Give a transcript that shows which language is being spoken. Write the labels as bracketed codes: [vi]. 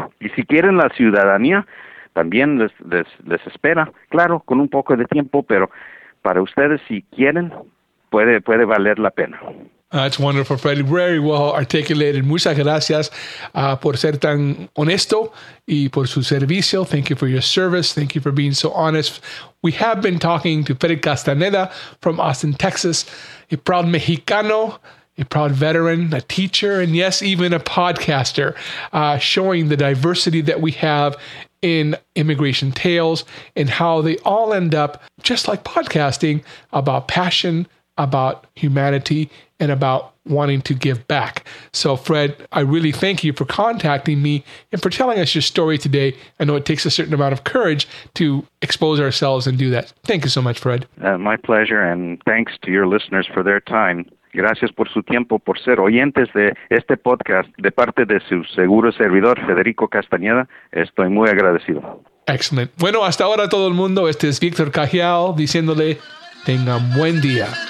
[es] Y si quieren la ciudadanía, también les espera, claro, con un poco de tiempo, pero para ustedes, si quieren, puede valer la pena. [en] That's wonderful, Freddy. Very well articulated. [es] Muchas gracias por ser tan honesto y por su servicio. [en] Thank you for your service. Thank you for being so honest. We have been talking to Freddy Castaneda from Austin, Texas, a proud Mexicano, a proud veteran, a teacher, and yes, even a podcaster, showing the diversity that we have in Immigration Tales and how they all end up, just like podcasting, about passion, about humanity, and about wanting to give back. So, Fred, I really thank you for contacting me and for telling us your story today. I know it takes a certain amount of courage to expose ourselves and do that. Thank you so much, Fred. My pleasure, and thanks to your listeners for their time. [es] Gracias por su tiempo, por ser oyentes de este podcast. De parte de su seguro servidor, Federico Castañeda, estoy muy agradecido. [en] Excellent. [es] Bueno, hasta ahora todo el mundo. Este es Víctor Cajal diciéndole, tengan buen día.